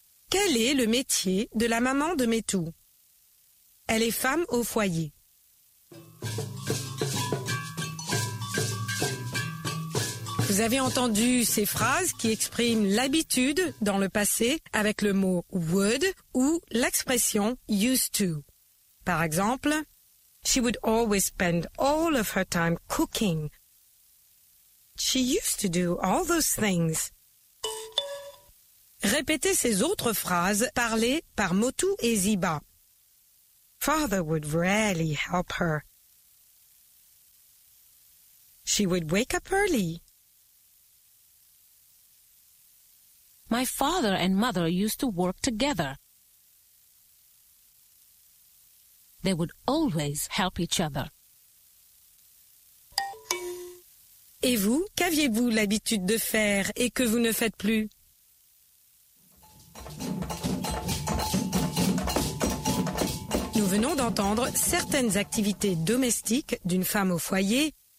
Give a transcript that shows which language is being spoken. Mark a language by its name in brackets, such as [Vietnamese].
[French] Quel est le métier de la maman de Métou? Elle est femme au foyer. Vous avez entendu ces phrases qui expriment l'habitude dans le passé avec le mot « would » ou l'expression « used to ». Par exemple, [English] « She would always spend all of her time cooking ». She used to do all those things. [French] Répétez ces autres phrases parlées par Métou et Ziba. [English] Father would rarely help her. She would wake up early. My father and mother used to work together. They would always help each other. [French] Et vous, qu'aviez-vous l'habitude de faire et que vous ne faites plus? Nous venons d'entendre certaines activités domestiques d'une femme au foyer.